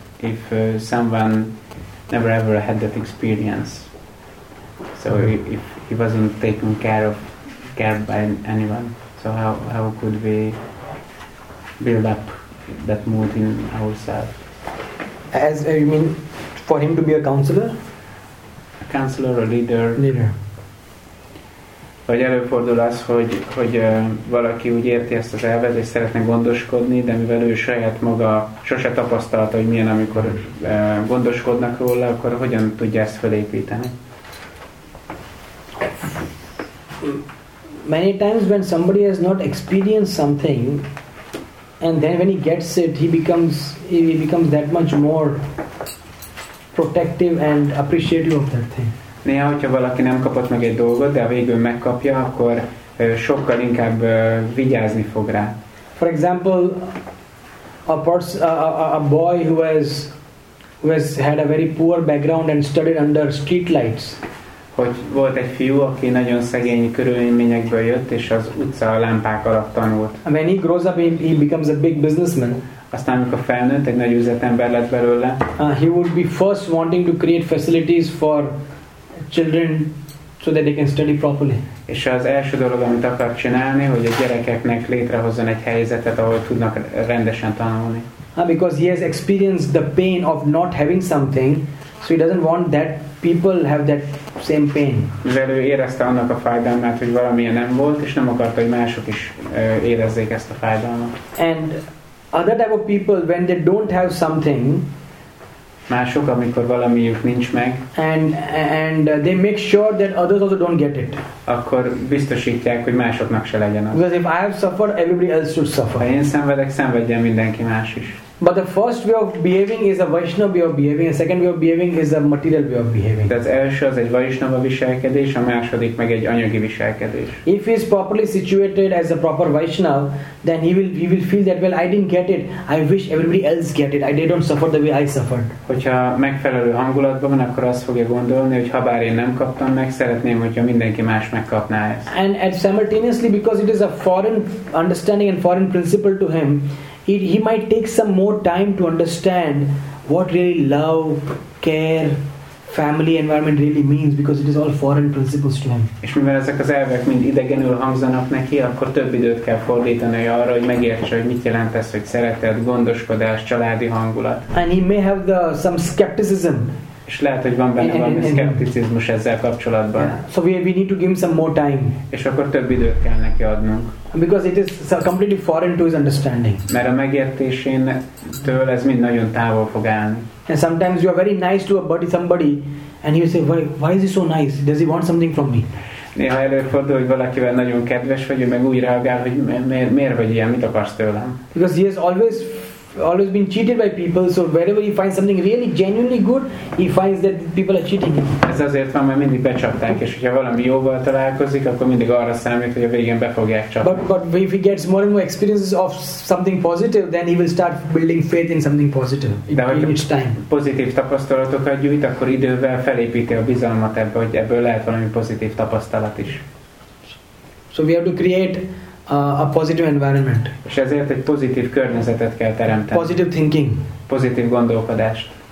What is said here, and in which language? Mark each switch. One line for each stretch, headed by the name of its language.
English: If someone never ever had that experience, so if he wasn't taken care by anyone, so how could we build up that mood in ourselves? As you mean, for him to be a counselor? A counselor, a leader. Leader.
Hungarian: Vagy előfordul az, hogy valaki úgy érti ezt az elvet, és szeretne gondoskodni, de mivel ő saját maga sose tapasztalta, hogy milyen, amikor gondoskodnak róla, akkor hogyan tudja ezt felépíteni?
English: Many times when somebody has not experienced something, and then when he gets it, he becomes that much more protective and appreciative of that thing.
Hungarian: Néha, hogyha valaki nem kapott meg egy dolgot, de a végül megkapja, akkor sokkal inkább vigyázni fog rá.
English: For example, a boy who has had a very poor background and studied under street lights.
Hungarian: Hogy volt egy fiú, aki nagyon szegény körülményekből jött, és az utca lámpák alatt tanult.
English: And when he grows up, he becomes a big businessman.
Hungarian: Aztán, amikor felnőtt, egy nagy üzletember lett belőle.
English: He would be first wanting to create facilities for children so that they can study properly.
Hungarian: És az első dolog, amit akar csinálni, hogy a gyerekeknek létrehozzon egy helyzetet, ahol tudnak rendesen tanulni.
English: Because he has experienced the pain of not having something, so he doesn't want that people have that same pain.
Hungarian: Mivel ő érezte annak a fájdalmát, hogy valamilyen nem volt, és nem akarta, hogy mások is érezzék ezt a fájdalmat.
English: And other type of people, when they don't have something,
Hungarian: Mások, amikor valamiük nincs meg,
English: and they make sure that others also don't get it.
Hungarian: Akkor biztosítják, hogy másoknak se legyen az.
English: Because if I have suffered, everybody else should suffer.
Hungarian: Ha én szenvedek, szenvedjen mindenki más is.
English: But the first way of behaving is a Vaishnava way of behaving, and second way of behaving is a material way of behaving.
Hungarian: Tehát az első az egy Vaishnava viselkedés, a második meg egy anyagi viselkedés.
English: If he is properly situated as a proper Vaishnava, then he will feel that, well, I didn't get it, I wish everybody else get it, they don't suffer the way I suffered.
Hungarian: Hogyha megfelelő hangulatban van, akkor azt fogja gondolni, hogy habár én nem kaptam meg, szeretném, hogyha mindenki más megkapná ezt.
English: And simultaneously, because it is a foreign understanding and foreign principle to him, he might take some more time to understand what really love, care, family, environment really means, because it is all foreign principles to him.
Hungarian: És mivel ezek az elvek mind idegenül hangzanak neki, akkor több időt kell fordítani arra, hogy megértse, hogy mit jelent ez, hogy szeretet, gondoskodás, családi hangulat.
English: And he may have some skepticism.
Hungarian: És lehet, hogy van benne valami szkepticizmus ezzel kapcsolatban.
English: Yeah. So we need to give him some more time.
Hungarian: És akkor több időt kell neki adnunk.
English: Because it is completely foreign to his understanding. Mert a megértésétől ez mind nagyon távol fog állni. And sometimes you are very nice to a buddy, somebody, and you say, why is he so nice? Does he want something from me?
Hungarian: Néha előfordul, hogy valakivel nagyon kedves vagy, ő meg úgy reagál, hogy miért vagy ilyen, mit akarsz tőlem?
English: Because he has always been cheated by people, so wherever he finds something really genuinely good, he finds that people are cheating him.
Hungarian: Ez azért van, mert mindig becsapták, és hogyha valami jóval találkozik, akkor mindig arra számít, hogy a végén be fogják csapni.
English: But if he gets more and more experiences of something positive, then he will start building faith in something positive.
Hungarian: De hogyha pozitív tapasztalatokat gyűjt, akkor idővel felépíti a bizalmat ebbe, hogy ebből lehet valami pozitív tapasztalat is.
English: So we have to create a positive environment.
Hungarian: És ezért egy pozitív környezetet kell teremteni.
English: Positive thinking.
Hungarian: Pozitív gondolkodást.